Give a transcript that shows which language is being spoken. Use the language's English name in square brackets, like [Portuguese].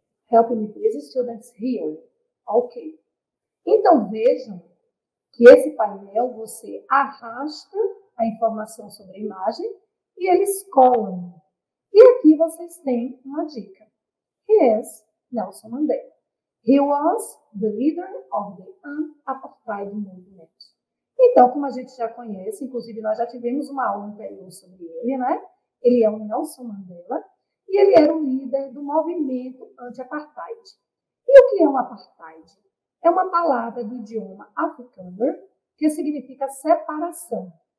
[English] Help me, please, students here. Ok. [Portuguese] Então, vejam que esse painel, você arrasta a informação sobre a imagem e eles colam. E aqui vocês têm uma dica. [English] He is Nelson Mandela. He was the leader of the apartheid movement. [Portuguese] Então, como a gente já conhece, inclusive nós já tivemos uma aula anterior sobre ele, né? Ele é o Nelson Mandela e ele era o líder do movimento anti-apartheid. E o que é um apartheid? É uma palavra do idioma africano que significa separação.